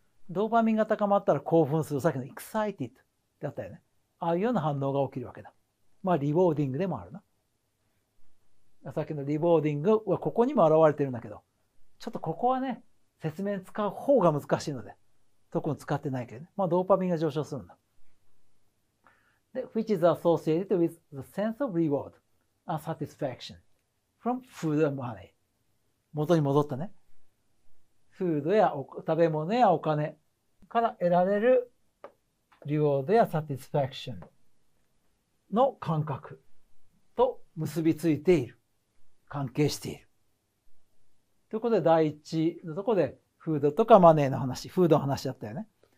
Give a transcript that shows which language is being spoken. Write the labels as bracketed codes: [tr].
[ja] ドーパミンが高まったら興奮する。さっきのエクサイティッドだったよね。ああいうような反応が起きるわけだ。まあ、リボーディングでもあるな。さっきのリボーディングはここにも現れてるんだけど、ちょっとここはね、説明使う方が難しいので、特に使ってないけどね。まあ、ドーパミンが上昇するんだ。 [en] で、which is associated with the sense of reward and satisfaction from food and money。 [ja] 元に戻ったね。フードやお食べ物やお金から得られるリワードやサティスファクションの感覚と結びついている。関係している。ということで、第一のところでフードとかマネーの話、フードの話だったよね。